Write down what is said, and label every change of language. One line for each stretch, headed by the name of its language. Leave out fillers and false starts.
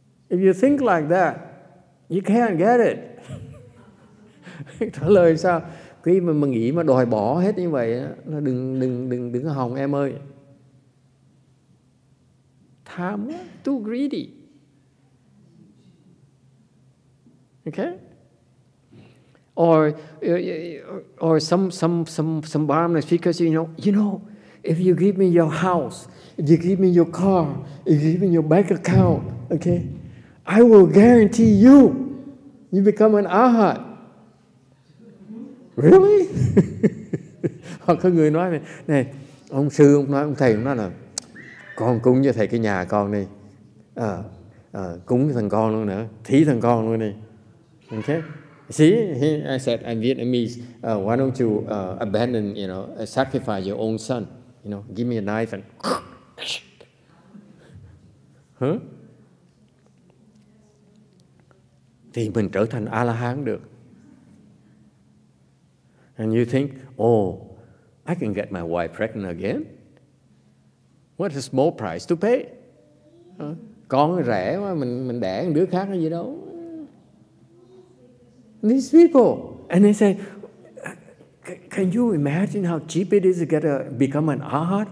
English: If you think like that, you can't get it.
Vietnamese: Trả lời sao? Khi mà nghĩ mà đòi bỏ hết như vậy là đừng hòng em ơi.
English: Tham, too greedy. Okay? Or some Brahmin speakers, you know, if you give me your house, if you give me your car, if you give me your bank account, okay, I will guarantee you become an arhat. Really?
Vietnamese: Hoặc có người nói này, ông sư, ông nói, ông thầy, ông nói là con cúng cho thầy cái nhà con đi, cúng thằng con luôn nữa, thí thằng con luôn đi.
English: Okay? See, I said, I'm Vietnamese, why don't you abandon, you know, sacrifice your own son, you know, give me a knife and
Vietnamese: Thì mình trở thành A-la-hán được.
English: And you think, oh, I can get my wife pregnant again. What a small price to pay.
Vietnamese: Con rẻ quá, mình đẻ một đứa khác hay gì đâu.
English: These people, and they say, Can you imagine how cheap it is to get a become an arhat?